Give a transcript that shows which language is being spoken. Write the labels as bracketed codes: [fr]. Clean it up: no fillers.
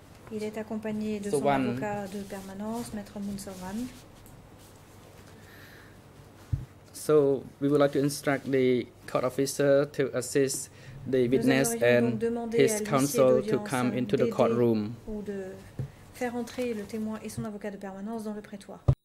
[fr] Il est accompagné de son avocat de permanence, Maître Moon Sovan. [en] So we would like to instruct the court officer to assist the witness and his counsel to come into the courtroom. [fr] Faire entrer le témoin et son avocat de permanence dans le prétoire.